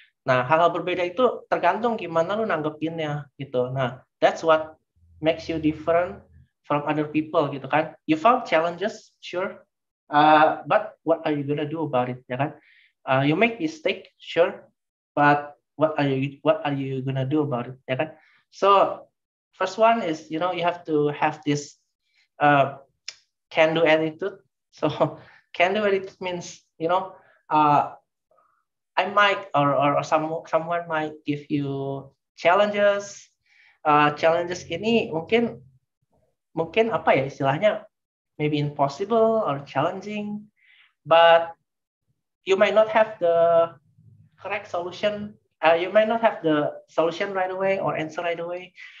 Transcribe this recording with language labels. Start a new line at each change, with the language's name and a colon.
Indonesian: Nah, hal-hal berbeda itu tergantung gimana lu nanggepinnya gitu.
English: Nah, that's what makes you different from other people
Indonesian: gitu kan.
English: You found challenges, sure. But what are you gonna do about it,
Indonesian: ya kan?
English: You make mistake, sure, but what are you gonna do about it,
Indonesian: ya kan?
English: So, first one is, you know, you have to have this can-do attitude. So, can-do attitude means, you know, I might or someone might give you challenges.
Indonesian: Challenges ini mungkin apa ya istilahnya?
English: Maybe impossible or challenging, but you might not have the correct solution. You might not have the solution right away or answer right away.